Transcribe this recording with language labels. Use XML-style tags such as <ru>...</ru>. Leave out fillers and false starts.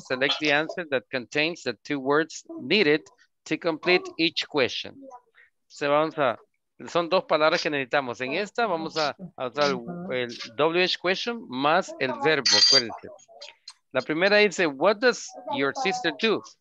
<en>Select the answer that contains the two words needed to complete each question.</en> <es>So vamos a, son dos palabras que necesitamos. En esta vamos a usar el WH question más el verbo. Acuérdense. La primera dice,</es> <en>what does your sister do?</en>